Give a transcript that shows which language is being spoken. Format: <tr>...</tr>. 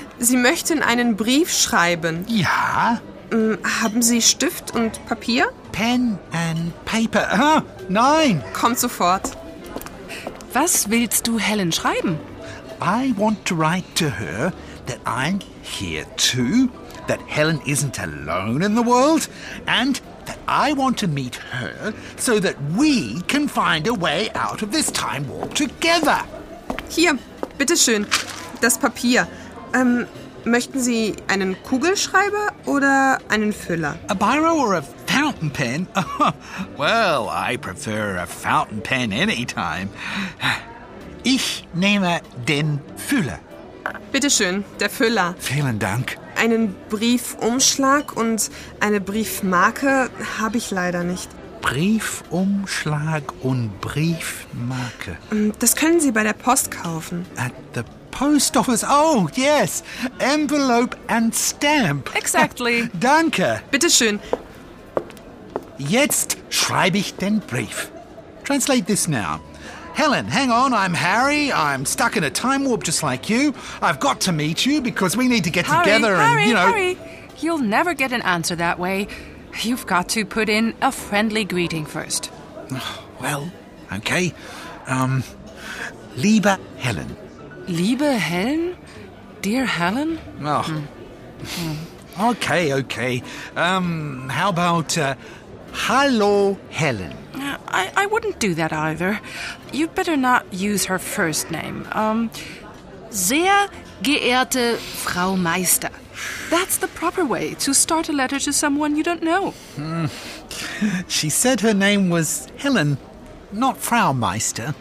<de>Sie möchten einen Brief schreiben? Ja. Haben Sie Stift und Papier?</de> <en>Pen and paper.</en> <de>Nein. Kommt sofort. Was willst du Helen schreiben?</de> <en>I want to write to her that I'm here too, that Helen isn't alone in the world, and that I want to meet her so that we can find a way out of this time warp together.</en> <de>Hier, bitteschön, das Papier. Möchten Sie einen Kugelschreiber oder einen Füller?</de> <en>A biro or a fountain pen? Well, I prefer a fountain pen any time.</en> <de>Ich nehme den Füller. Bitte schön, der Füller. Vielen Dank. Einen Briefumschlag und eine Briefmarke habe ich leider nicht. Briefumschlag und Briefmarke. Das können Sie bei der Post kaufen.</de> <en>At the post office? Oh, yes. Envelope and stamp. Exactly.</en> <de>Danke. Bitte schön. Jetzt schreibe ich den Brief.</de> <en>Translate this now. Helen, hang on, I'm Harry. I'm stuck in a time warp just like you. I've got to meet you because we need to get Harry, together and, Harry, you know... Harry, you'll never get an answer that way. You've got to put in a friendly greeting first. Well, okay.</en> <de>Liebe Helen. Liebe Helen?</de> <en>Dear Helen? Oh. Mm. Okay, okay. How about...</en> <de>Hallo, Helen.</de> <en>I wouldn't do that either. You'd better not use her first name.</en> <de>Sehr geehrte Frau Meister.</de> <en>That's the proper way to start a letter to someone you don't know. She said her name was Helen, not Frau Meister.</en>